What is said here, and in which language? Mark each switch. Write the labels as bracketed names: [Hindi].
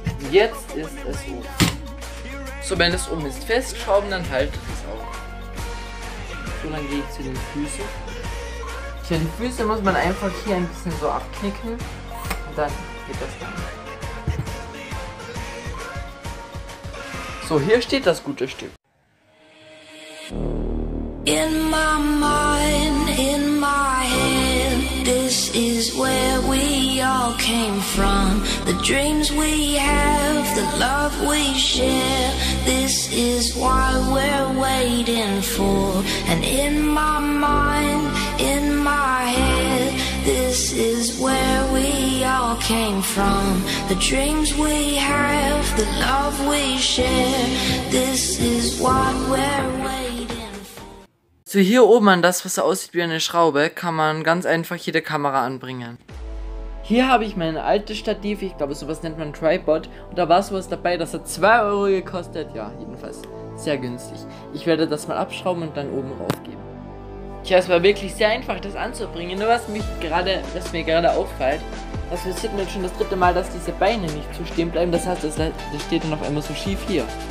[German] Jetzt ist es um. So, wenn es um ist, festschrauben, dann haltet es auch. So, dann gehe ich zu den Füßen. Tja, die Füße muss man einfach hier ein bisschen so abknicken. Und dann geht das dann. So, hier steht das gute Stück. [English] In my mind, in my head, this is where we all came from. The dreams we have, the love we share, this is what we're waiting for. And in my mind, in my head, this is where we all came from. The dreams we have, the love we share, this is what we're waiting for. [German] So, hier oben an das, was aussieht wie eine Schraube, kann man ganz einfach jede Kamera anbringen. Hier habe ich mein altes Stativ, ich glaube sowas nennt man Tripod, und da war sowas dabei, das hat 2 € gekostet, ja, jedenfalls sehr günstig. Ich werde das mal abschrauben und dann oben raufgeben. Tja, es war wirklich sehr einfach, das anzubringen, nur was mir gerade auffällt, das passiert mir jetzt schon das dritte Mal, dass diese Beine nicht so stehen bleiben, das heißt, das steht dann auf einmal so schief hier.